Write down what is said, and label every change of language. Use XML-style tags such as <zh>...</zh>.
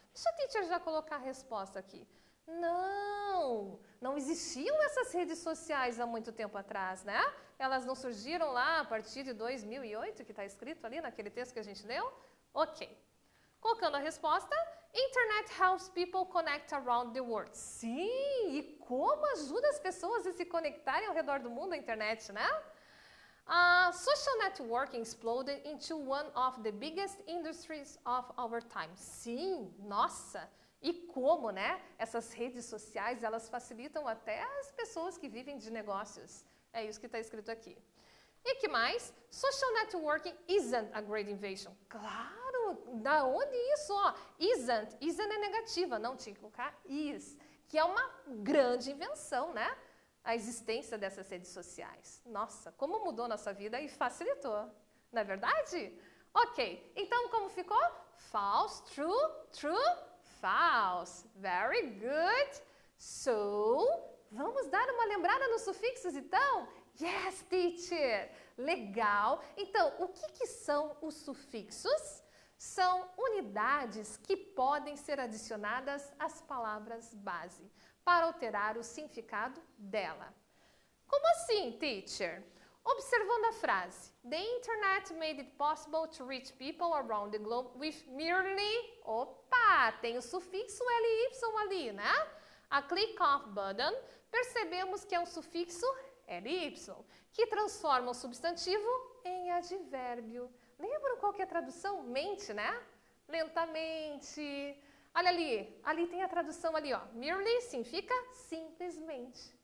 <pt>Deixa a teacher já colocar a resposta aqui. Não! Não existiam essas redes sociais há muito tempo atrás, né? Elas não surgiram lá a partir de 2008, que está escrito ali naquele texto que a gente leu? Ok. Colocando a resposta,</pt> <en>Internet helps people connect around the world.</en> <pt>Sim, e como ajuda as pessoas a se conectarem ao redor do mundo à internet, né?</pt> <en>Social networking exploded into one of the biggest industries of our time.</en> <pt>Sim, nossa, e como, né? Essas redes sociais, elas facilitam até as pessoas que vivem de negócios. É isso que está escrito aqui. E que mais?</pt> <en>Social networking isn't a great invention.</en> <pt>Claro, da onde isso? Ó? Isn't. Isn't é negativa, não tinha que colocar is. Que é uma grande invenção, né? A existência dessas redes sociais. Nossa, como mudou nossa vida e facilitou. Não é verdade?</pt> <en>Ok,</en> <pt>então como ficou?</pt> <en>False, true, true, false. Very good.</en> <pt>So, vamos dar uma lembrada nos sufixos então?</pt> <en>Yes, teacher!</en> <pt>Legal! Então, o que são os sufixos? São unidades que podem ser adicionadas às palavras base para alterar o significado dela. Como assim, teacher? Observando a frase,</pt> <en>the internet made it possible to reach people around the globe with merely...</en> <pt>Opa! Tem o sufixo LY ali, né?</pt> <en>A click off button,</en> <pt>percebemos que é um sufixo L e Y, que transforma o substantivo em advérbio. Lembram qual que é a tradução? Mente, né? Lentamente. Olha ali, ali tem a tradução ali, ó. Merely significa simplesmente.</pt>